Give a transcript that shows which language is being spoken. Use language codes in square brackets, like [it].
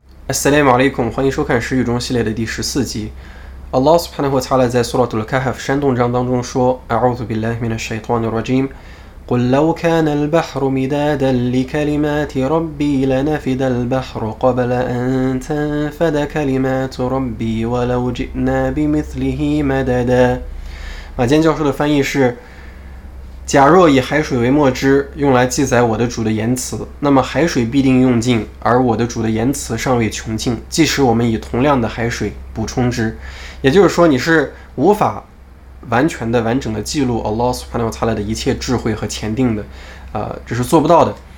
[ar] السلام عليكم، [zh] 欢迎收看《食语》中系列的第十四集。 Allah subhanahu wa taala 在 Surah al-Kahf 山洞章当中说： [ar] “أعوذ بالله من الشيطان الرجيم. قل لو كان البحر مدادا لكلمات ربي لنفد البحر قبل أن تنفد كلمات ربي ولو جئنا بمثله مددا。” [zh] 马坚教授的翻译是：假若以海水为墨汁，用来记载我的主的言辞，那么海水必定用尽，而我的主的言辞尚未穷尽，即使我们以同量的海水补充之。也就是说，你是无法完全的、完整的记录 Allah Subhanahu Wa Taala 的一切智慧和前定的，这是做不到的。